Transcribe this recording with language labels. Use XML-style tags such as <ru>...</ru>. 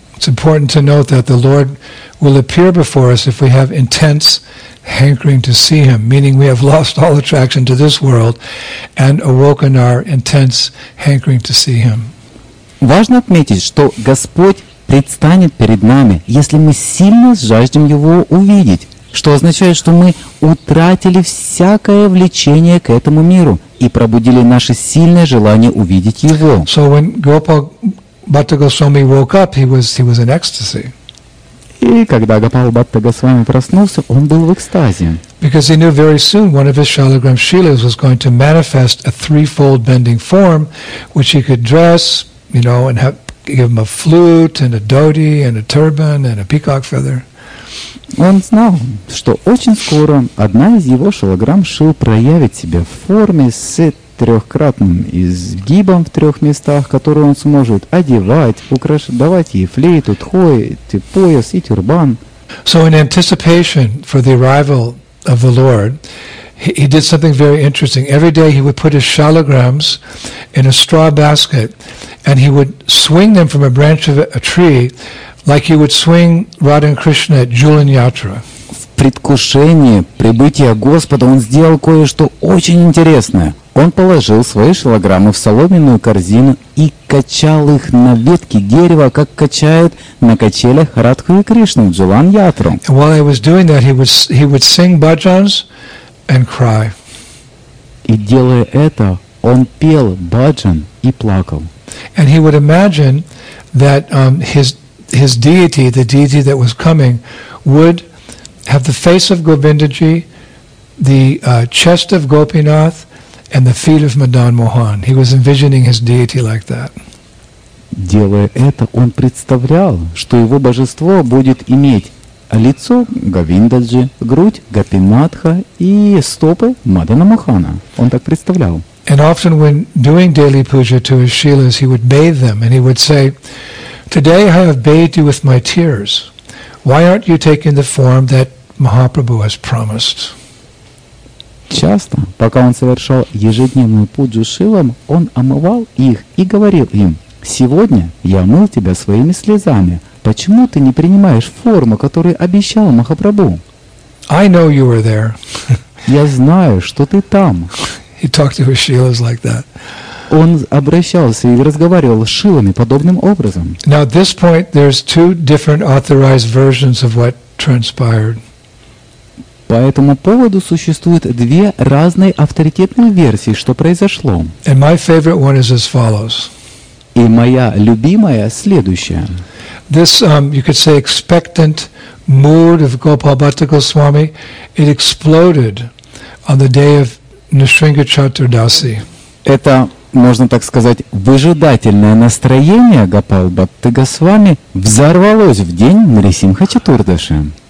<en>It's important to note that the Lord will appear before us if we have intense hankering to see Him, meaning we have lost all attraction to this world and awoken our intense hankering to see Him.</en> <ru>Важно отметить, что Господь предстанет перед нами, если мы сильно жаждем Его увидеть, что означает, что мы утратили всякое влечение к этому миру и пробудили наше сильное желание увидеть Его.</ru> <en>So when Gopal Bhatta Goswami woke up, he was in ecstasy.</en> <ru>И когда Гопал Бхатта Госвами проснулся, он был в экстазе.</ru> <en>Because he knew very soon one of his Shalagram Shilas was going to manifest a threefold bending form, which he could dress, you know, and have give him a flute and a dhoti and a turban and a peacock feather.</en> <ru>Он знал, что очень скоро одна из его шалограмм шил проявит себя в форме с трехкратным изгибом в трех местах, которые он сможет одевать, украшать, давать ей флейту, тхой, пояс и тюрбан.</ru> <en>So in anticipation for the arrival of the Lord, he did something very interesting. Every day he would put his shalagrams in a straw basket and he would swing them from a branch of a tree like he would swing Radha and Krishna at Julan Yatra.</en> <ru>В предвкушении прибытия Господа он сделал кое-что очень интересное. Он положил свои шалограммы в соломенную корзину и качал их на ветке дерева, как качают на качелях Радху и Кришну, Джулан Ятру.</ru> <en>While he was doing that, he would sing bhajans and cry.</en> <ru>И делая это, он пел bhajan и плакал.</ru> <en>And he would imagine that his deity, the deity that was coming, would have the face of Govindaji, the chest of Gopinath, and the feet of Madan Mohan. He was envisioning his deity like that.</en> <ru>Делая это, он представлял, что его божество будет иметь лицо Говиндаджи, грудь Гопинатха и стопы Мадана Мохана. Он так представлял.</ru> <en>And often when doing daily puja to his shilas, he would bathe them and he would say, "Today I have bathed you with my tears. Why aren't you taking the form that Mahaprabhu has promised?"</en> <ru>Часто, пока он совершал ежедневную пуджу шилам, он омывал их и говорил им: «Сегодня я омыл тебя своими слезами. Почему ты не принимаешь форму, которую обещал Махапрабху?»</ru> <en>I know you were there.</en> <ru>Я знаю, что ты там.</ru> <en>He talked to his shilas like that.</en> <ru>Он обращался и разговаривал с шилами подобным образом.</ru> <en>Now at this point there's two different authorized versions of what transpired.</en> <ru>По этому поводу существуют две разные авторитетные версии, что произошло.</ru> <en>And my favorite one is as follows.</en> <ru>И моя любимая следующая.</ru> <en>This, you could say, expectant mood of Gopal Bhatta Goswami, it exploded on the day of Nrisinga Chaturdasi.</en> <ru>Это, можно так сказать, выжидательное настроение Гопал Бхатты Госвами взорвалось в день Нрисимха Чатурдаши.</ru>